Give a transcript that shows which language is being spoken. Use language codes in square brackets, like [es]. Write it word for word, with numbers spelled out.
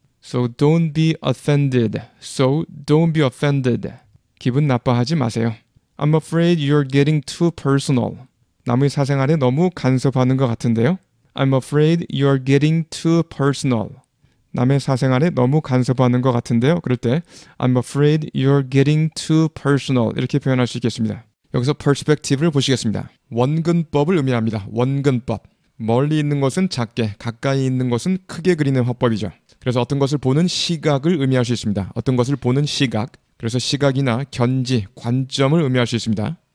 [en] So don't be offended. So don't be offended. [ko] 기분 나빠하지 마세요. [en] I'm afraid you're getting too personal. [ko] 남의 사생활에 너무 간섭하는 것 같은데요. [en] I'm afraid you're getting too personal. [ko] 남의 사생활에 너무 간섭하는 것 같은데요. 그럴 때 [en] I'm afraid you're getting too personal. [ko] 이렇게 표현할 수 있겠습니다. 여기서 perspective를 보시겠습니다. 원근법을 의미합니다. 원근법. 멀리 있는 것은 작게, 가까이 있는 것은 크게 그리는 화법이죠. 그래서 어떤 것을 보는 시각을 의미할 수 있습니다. 어떤 것을 보는 시각. 그래서 시각이나 견지, 관점을 의미할 수 있습니다.